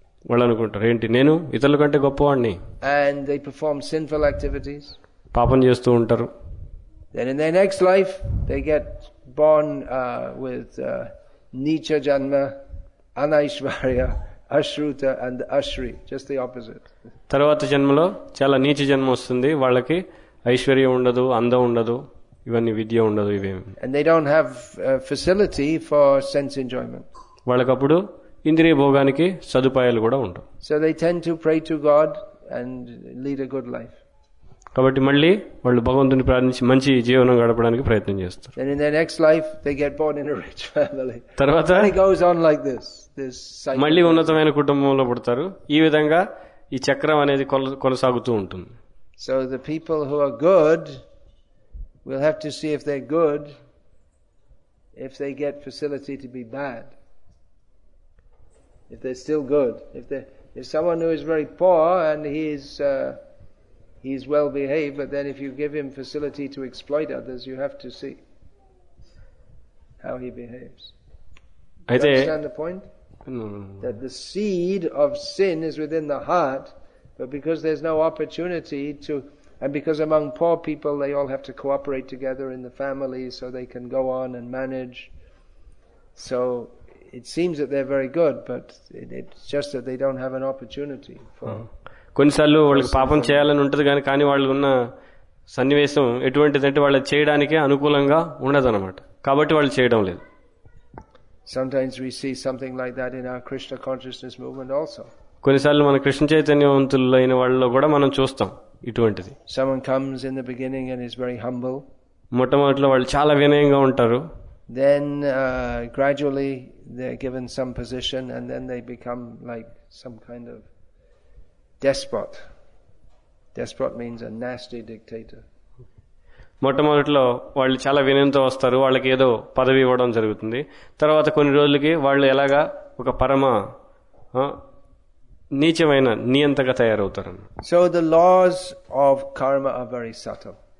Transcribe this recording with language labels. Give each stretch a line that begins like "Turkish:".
Telugu: వాళ్ళు అనుకుంటారు ఏంటి నేను ఇతరుల కంటే గొప్పవాడిని.
English: And they perform sinful activities.
Telugu: పాపం చేస్తూ ఉంటారు.
English: Then in their next life, they get born with nicha janma, anaishwarya, ashruta and ashri, just the opposite.
Telugu: తర్వాత జన్మలో చాలా నీచ జన్మ వస్తుంది వాళ్ళకి. ఐశ్వర్యం ఉండదు, అందం ఉండదు, ఇవన్నీ విద్య ఉండదు, ఇవేమి.
English: And they don't have facility for sense enjoyment.
Telugu: వాళ్ళకి అప్పుడు ఇంద్రియ భోగానికి సదుపాయాలు కూడా ఉండవు.
English: So they tend to pray to God and lead a good life.
Telugu: కాబట్టి మళ్ళీ వాళ్ళు భగవంతుని ప్రార్థించి మంచి జీవనం గడపడానికి ప్రయత్నం చేస్తారు.
English: And in their next life they get born in a rich family.
Telugu: తర్వాత
English: it goes on like this cycle.
Telugu: మళ్ళీ ఉన్నతమైన కుటుంబంలో పుడతారు. ఈ విధంగా ఈ చక్రం అనేది కొనసాగుతూ ఉంటుంది.
English: So the people who are good will have to see if they're good if they get facility to be bad. If they're still good, if someone who is very poor and he's well behaved, but then if you give him facility to exploit others, you have to see how he behaves.
Telugu: Aithe,
English: you understand the point? No. That the seed of sin is within the heart, but because there's no opportunity to, and because among poor people they all have to cooperate together in the family so they can go on and manage, so it seems that they're very good, but it's just that they don't have an opportunity for.
Telugu: కొన్నిసార్లు వాళ్ళకి పాపం చేయాలని ఉంటుంది కానీ వాళ్ళు ఉన్న సన్నివేశం ఎటువంటిదంటే వాళ్ళు చేయడానికి అనుకూలంగా ఉండదు అన్నమాట. కాబట్టి వాళ్ళు చేయడం లేదు.
English: Sometimes we see something like that in our Krishna consciousness movement also.
Telugu: కొన్నిసార్లు మన కృష్ణ చైతన్యవంతుల్లో అయిన వాళ్ళలో కూడా మనం చూస్తాం ఇటువంటిది.
English: Someone comes in the beginning and is very humble.
Telugu: మొట్టమొదటిలో వాళ్ళు చాలా వినయంగా ఉంటారు.
English: Then gradually they're given some position and then they become like some kind of despot. Despot means a nasty dictator.
Telugu: మొట్టమొదటిలో వాళ్ళు చాలా వినయంతో వస్తారు, వాళ్ళకి ఏదో పదవి ఇవ్వడం జరుగుతుంది. తర్వాత కొన్ని రోజులకి వాళ్ళు ఎలాగా ఒక పరమ నీచమైన నియంతగా తయారవుతారు.
English: So the laws of karma are very subtle.